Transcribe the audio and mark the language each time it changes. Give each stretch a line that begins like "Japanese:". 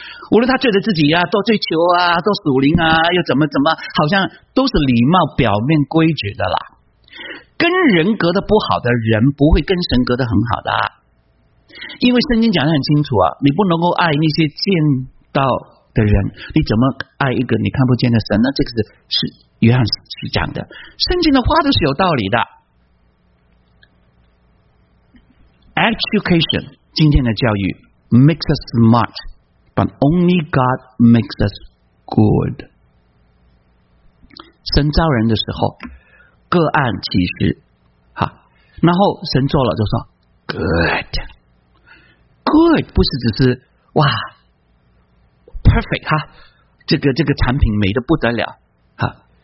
Chinese: 无论他觉得自己多追求多属灵又怎么怎么，好像都是礼貌表面规矩的啦。跟人隔得不好的人不会跟神隔得很好的因为圣经讲得很清楚啊，你不能够爱那些见到的人，你怎么爱一个你看不见的神呢？这个是约翰是讲的，圣经的话都是有道理的。
English: Education
Chinese: 今天的教育
English: makes us smart, but only God makes us good.
Chinese: 神造人的时候，各按其职，哈，然后神做了就说 good, good 不是只是哇 perfect 哈，这个产品美得不得了哈。